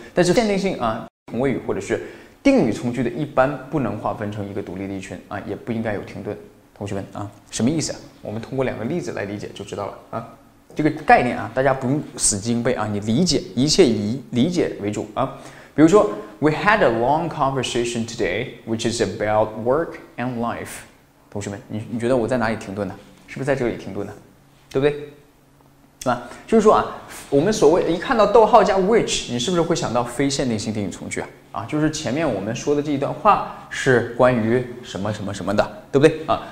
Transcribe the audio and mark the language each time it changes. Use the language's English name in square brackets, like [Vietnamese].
[Chinese] 但是限定性啊，同位语或者是定语从句的一般不能划分成一个独立的意群啊，也不应该有停顿。同学们啊，什么意思啊？我们通过两个例子来理解就知道了啊。这个概念啊，大家不用死记硬背啊，你理解，一切以理解为主啊。 [English] 比如说 ，We had a long conversation today, which is about work and life. [Chinese] 同学们 你觉得我在哪里停顿呢？是不是在这里停顿呢？对不对？是吧？就是说啊，我们所谓一看到逗号加 which， 你是不是会想到非限定性定语从句啊？啊，就是前面我们说的这一段话是关于什么什么什么的，对不对啊？